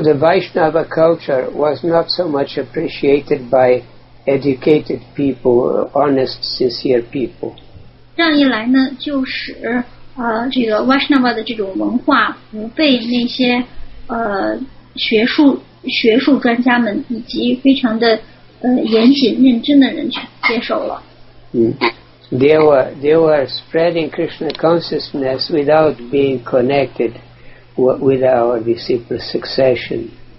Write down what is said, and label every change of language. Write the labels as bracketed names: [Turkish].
[English] the Vaishnava culture was not so much appreciated by educated people, honest, sincere people. [Chinese] 这样一来呢，就使这个 Vaishnava 的这种文化不被那些 学术专家们以及非常的严谨认真的人去接受了。 [English] They were spreading Krishna consciousness without being connected with our disciple succession.